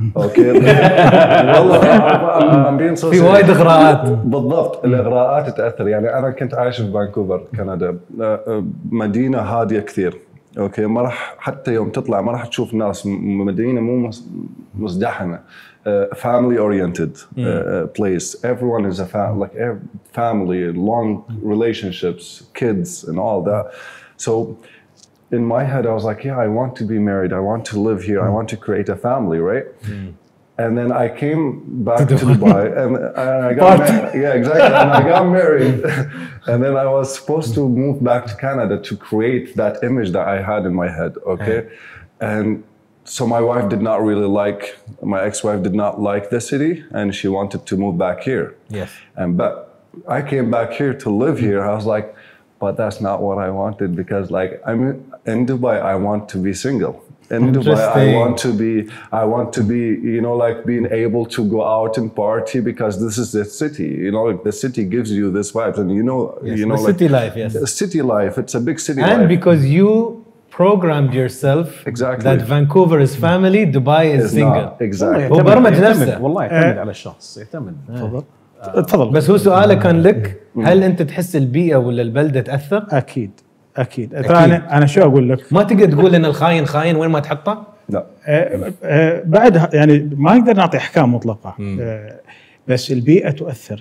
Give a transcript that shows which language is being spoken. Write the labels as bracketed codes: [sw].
[ar] أوكي. والله أمين صوصي. في وايد إغراءات. بالضبط الإغراءات تأثر. يعني أنا كنت عايش في فانكوفر كندا، مدينة هادية كثير. أوكي ما راح حتى يوم تطلع ما راح تشوف ناس، مدينة مو مزدحمة. [en] Family oriented place. Everyone is a family, long relationships, kids and all that. So in my head, I was like, yeah, I want to be married. I want to live here. I want to create a family, right? And then I came back to Dubai and I got married. Yeah, exactly. And I got married. And then I was supposed to move back to Canada to create that image that I had in my head. Okay. And so my wife did not really like, my ex-wife did not like the city and she wanted to move back here. Yes. And but I came back here to live here. I was like, but that's not what I wanted, because like I'm in Dubai, I want to be single. In Dubai, I want to be, you know, like being able to go out and party, because this is the city, you know, like the city gives you this vibe. And you know, yes, you know, the like city life, yes. The city life, it's a big city and life. Because you programmed yourself exactly that Vancouver is family, Dubai is single. Not. Exactly. [ar] هو برمج نفسه. والله يعتمد على الشخص. يعتمد. تفضل. بس هو سؤاله كان لك هل أنت تحس البيئة ولا البلدة تأثر؟ أكيد أكيد. أنا شو أقول لك؟ ما تقدر تقول إن الخاين خاين وين ما تحطه؟ لا. بعد يعني ما نقدر نعطي أحكام مطلقة. بس البيئة تؤثر.